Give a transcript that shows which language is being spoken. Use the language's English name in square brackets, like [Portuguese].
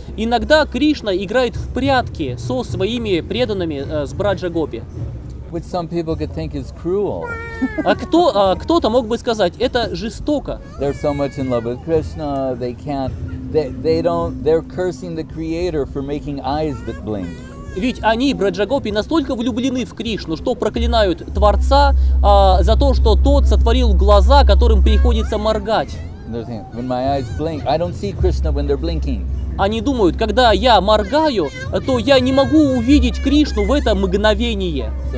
[Russian] Иногда Кришна играет в прятки со своими преданными с Браджа Гопи. [English] Which some people could think is cruel. [Russian] кто-то мог бы сказать, это жестоко. [English] They're so much in love with Krishna, they can't. They're cursing the Creator for making eyes that blink. [Russian] Ведь они, Браджагопи, настолько влюблены в Кришну, что проклинают Творца за то, что тот сотворил глаза, которым приходится моргать. Они думают, когда я моргаю, то я не могу увидеть Кришну в это мгновение.